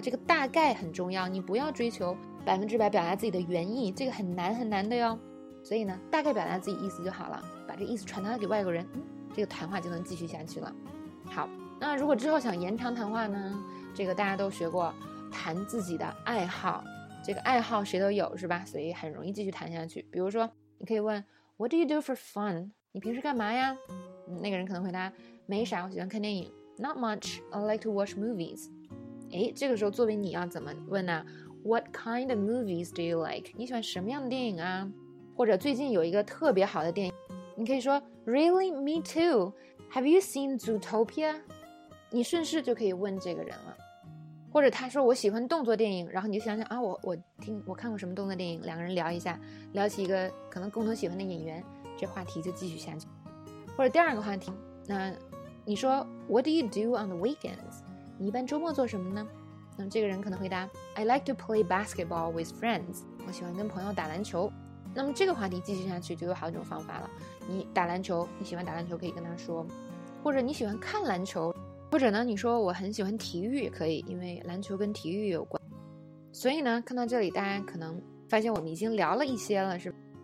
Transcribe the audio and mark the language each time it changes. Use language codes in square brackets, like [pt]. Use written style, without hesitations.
[zh] 这个大概很重要，你不要追求百分之百表达自己的原意，这个很难很难的哟。所以呢，大概表达自己意思就好了，把这个意思传达给外国人，这个谈话就能继续下去了。好，那如果之后想延长谈话呢，这个大家都学过谈自己的爱好，这个爱好谁都有是吧，所以很容易继续谈下去。比如说你可以问 [en] What do you do for fun? [zh] 你平时干嘛呀，那个人可能回答没啥，我喜欢看电影。 [en] Not much, I like to watch movies. [zh] 诶，这个时候作为你要怎么问呢？ [en] What kind of movies do you like? [zh] 你喜欢什么样的电影啊？或者最近有一个特别好的电影，你可以说 [en] Really? Me too. Have you seen Zootopia? [zh] 你顺势就可以问这个人了。或者他说我喜欢动作电影，然后你就想想啊，我看过什么动作电影，两个人聊一下，聊起一个可能共同喜欢的演员，这话题就继续下去。或者第二个话题，那你说 [en] What do you do on the weekends? [zh] 你一般周末做什么呢？那么这个人可能回答 [en] I like to play basketball with friends. [zh] 我喜欢跟朋友打篮球。那么这个话题继续下去就有好几种方法了。你打篮球，你喜欢打篮球可以跟他说，或者你喜欢看篮球，或者呢你说我很喜欢体育也可以，因为篮球跟体育有关。所以呢，看到这里大家可能发现我们已经聊了一些了，是吧？